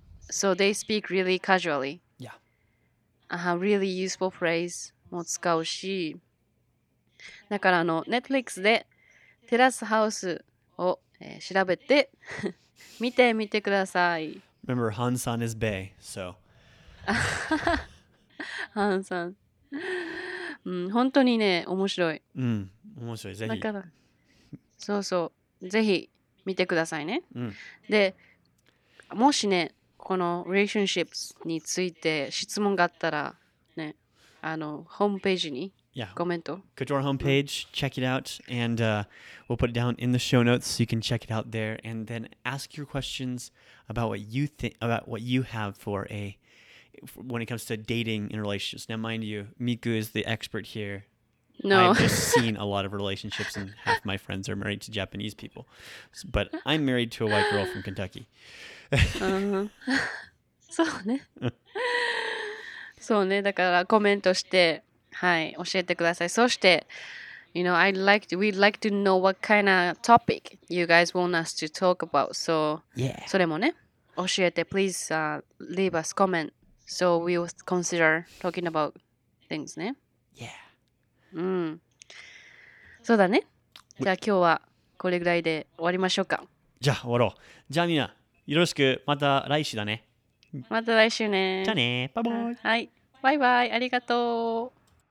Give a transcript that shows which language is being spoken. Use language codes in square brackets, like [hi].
[en] So they speak really casually. Yeah. Uh-huh. Really useful phrase [ja] も使うし。だからあの、Netflix でテラスハウスを、調べて見てみてください。 [en] Remember, Han-san is bae, so. [ja] Han-san. 本当にね、面白い。うん、面白い。ぜひ。だから。そうそう。ぜひ。見てくださいね、うん、でもしねこの relationships について質問があったらねあのホームページにコメント、 [en] yeah. Go to our homepage、うん、check it out and we'll put it down in the show notes so you can check it out there and then ask your questions about what you think about what you have for a when it comes to dating in relationships now mind you Miku is the expert here No. I've just seen a lot of relationships and half my friends are married to Japanese people. But I'm married to a white girl from Kentucky. [ja] そうね。そうね。だからコメントして、はい、教えてください。そして、 [en] you know, we'd like to know what kind of topic you guys want us to talk about. So, yeah. [ja] それもね、教えて、 [en] please leave us comment so we'll consider talking about things ね。 Yeah. [ja] うん、そうだね。じゃあ今日はこれぐらいで終わりましょうか。じゃあ終わろう。じゃあみんな、よろしく。また来週だね。また来週ね。じゃあね。バイバイ。はい。バイバイ。ありがとう。